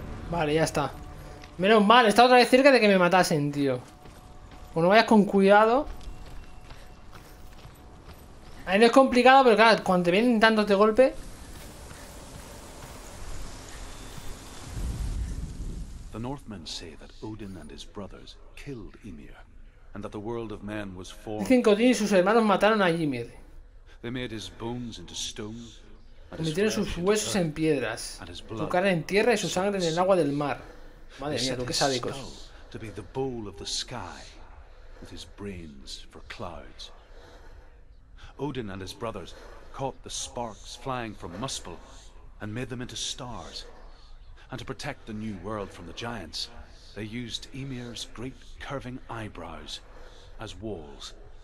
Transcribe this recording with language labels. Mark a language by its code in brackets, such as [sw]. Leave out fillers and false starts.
[es] Vale, ya está. Menos mal, está otra vez cerca de que me matasen, tío. O no vayas con cuidado. A ver, no es complicado, pero claro, cuando te vienen dando este golpe. [en] The Northmen say that Odin and his brothers killed Ymir, and that the world of men was formed. [es] Dicen que Odin y sus hermanos mataron a Ymir. [en] They made his bones into stone. [es] Metieron sus huesos en piedras, su carne en tierra y su sangre en el agua del mar. Madre mía, tú qué sádicos. [en] To be the bowl of the sky, with his brains for clouds. Odin and his brothers caught the sparks flying from Muspel and made them into stars. And to protect the new world from the giants, they used Ymir's great curving eyebrows as walls.